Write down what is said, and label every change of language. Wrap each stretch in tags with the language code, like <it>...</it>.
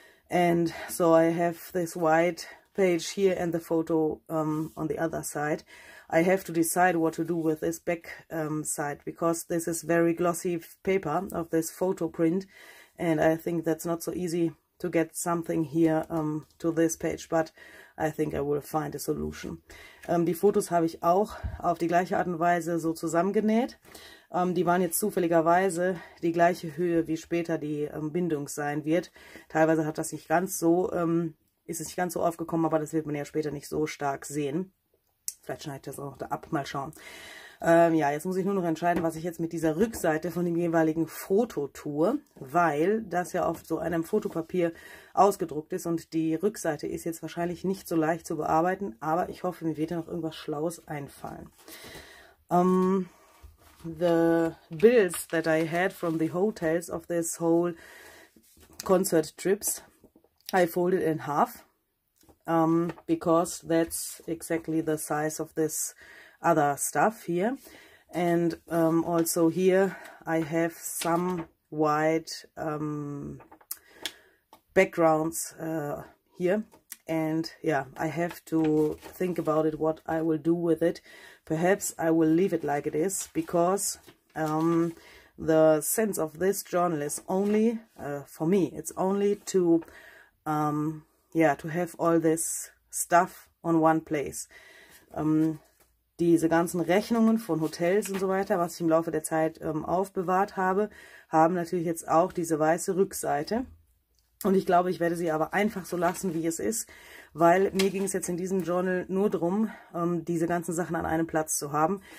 <en>And so I have this white page here and the photo on the other side. I have to decide what to do with this back side, because this is very glossy paper of this photo print, and I think that's not so easy to get something here to this page, but I think I will find a solution.</en> <de>Die Fotos habe ich auch auf die gleiche Art und Weise so zusammengenäht. Die waren jetzt zufälligerweise die gleiche Höhe, wie später die Bindung sein wird. Teilweise hat das nicht ganz so, ist es nicht ganz so aufgekommen, aber das wird man ja später nicht so stark sehen. Vielleicht schneide ich das auch noch da ab, mal schauen. Ja, jetzt muss ich nur noch entscheiden, was ich jetzt mit dieser Rückseite von dem jeweiligen Foto tue, weil das ja auf so einem Fotopapier ausgedruckt ist und die Rückseite ist jetzt wahrscheinlich nicht so leicht zu bearbeiten, aber ich hoffe, mir wird da noch irgendwas Schlaues einfallen.</de> <en>The bills that I had from the hotels of this whole concert trips, I folded in half, because that's exactly the size of this other stuff here. And also here I have some white backgrounds here, and yeah, I have to think about it, what I will do with it. Perhaps I will leave it like it is, because the sense of this journal is only for me, it's only to yeah, to have all this stuff on one place.</en> <de>Diese ganzen Rechnungen von Hotels und so weiter, was ich im Laufe der Zeit aufbewahrt habe, haben natürlich jetzt auch diese weiße Rückseite. Und ich glaube, ich werde sie aber einfach so lassen, wie es ist, weil mir ging es jetzt in diesem Journal nur darum, diese ganzen Sachen an einem Platz zu haben.</de>